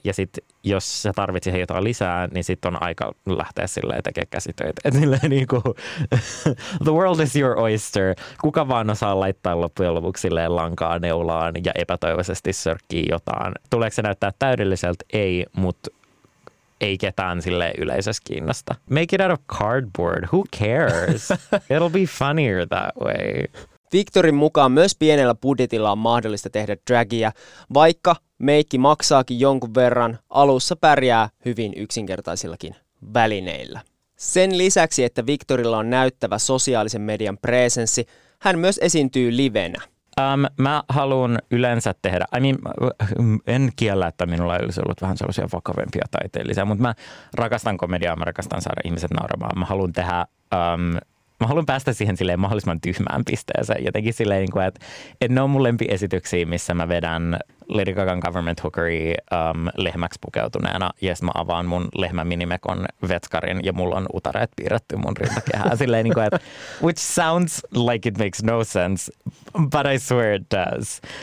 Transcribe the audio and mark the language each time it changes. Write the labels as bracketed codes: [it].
[fi] Ja sitten jos sä tarvitsit jotain lisää, niin sitten on aika lähteä silleen tekemään käsitöitä. Et, silleen, niin kuin, [en] the world is your oyster. [fi] Kuka vaan osaa laittaa loppujen lopuksi silleen, lankaa neulaan ja epätoivoisesti sörkkii jotain. Tuleeko se näyttää täydelliseltä? Ei, mutta ei ketään silleen yleisössä kiinnosta. [en] Make it out of cardboard. Who cares? It'll be funnier that way. [fi] Victorin mukaan myös pienellä budjetilla on mahdollista tehdä dragia, vaikka meikki maksaakin jonkun verran, alussa pärjää hyvin yksinkertaisillakin välineillä. Sen lisäksi, että Victorilla on näyttävä sosiaalisen median presenssi, hän myös esiintyy livenä. Mä haluan yleensä tehdä, [en] I mean, [fi] en kiellä, että minulla olisi ollut vähän sellaisia vakavempia taiteellisia, mutta mä rakastan komediaa, mä rakastan saada ihmiset nauramaan. Mä haluan tehdä, mä haluan päästä siihen silleen mahdollisimman tyhmään pisteeseen. Jotenkin silleen, että et ne on mun lempiesityksiä, missä mä vedän Lady Gagan Government Hookery lehmäksi pukeutuneena. Ja sitten mä avaan mun lehmän minimekon vetskarin ja mulla on utareet piirretty mun rintakehää. Silleen, niin kuin, että, [en] which sounds like it makes no sense, but I swear it does.